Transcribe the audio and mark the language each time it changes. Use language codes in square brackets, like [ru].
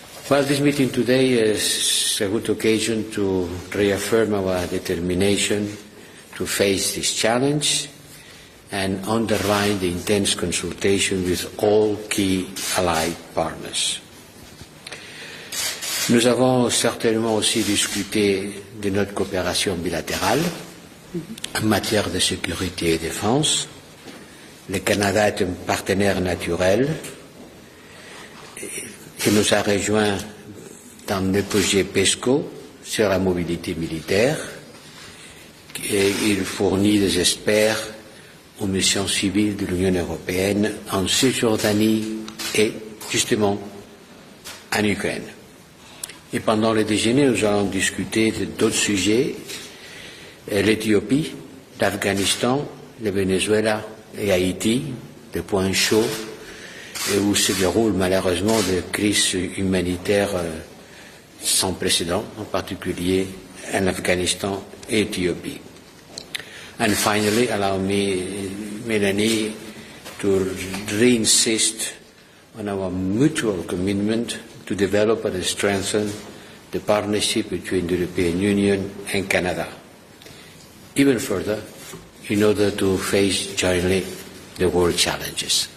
[en] Well, this meeting today is a good occasion to reaffirm our determination to face this challenge and underline the intense consultation with all key allied partners. [fr] Nous avons certainement aussi discuté de notre coopération bilatérale en matière de sécurité et défense. Le Canada est un partenaire naturel qui nous a rejoint dans le projet PESCO sur la mobilité militaire et il fournit des experts aux missions civiles de l'Union européenne en Cisjordanie et, justement, en Ukraine. Et pendant le déjeuner, nous allons discuter d'autres sujets, l'Éthiopie, l'Afghanistan, le Venezuela et Haïti, des points chauds, et où se déroulent malheureusement des crises humanitaires sans précédent, en particulier en Afghanistan et Éthiopie. [en] And finally, allow me, Mélanie, to re-insist on our mutual commitment to develop and strengthen the partnership between the European Union and Canada, even further, in order to face jointly the world challenges.